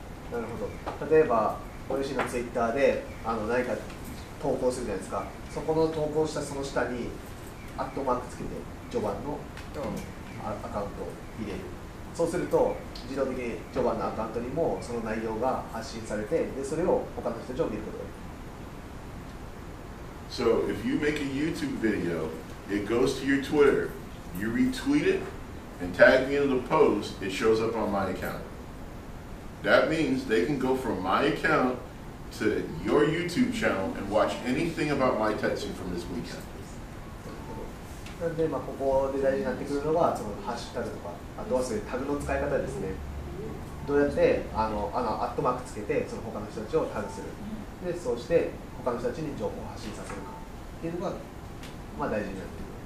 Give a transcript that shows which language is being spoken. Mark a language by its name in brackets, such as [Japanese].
[Japanese] なるほど。例えば、ご自身のツイッターで何か投稿するじゃないですか。そこの投稿したその下にアットマークつけて序盤のアカウントを入れる。そうすると自動的に序盤のアカウントにもその内容が発信されて、でそれを他の人たちを見ることができる。 [English] So if you make a YouTube video, it goes to your Twitter, you retweet it and tag me in the post, it shows up on my account. That means they can go from my account to your YouTube channel and watch anything about my Tetsu from this weekend. [Japanese] なんで、まあ、ここで大事になってくるのはそのハッシュタグとか、あとはそういうタグの使い方ですね。どうやってあのアットマークつけてその他の人たちをタグする。で、そうして他の人たちに情報を発信させるかっていうのが、まあ、大事になってくる。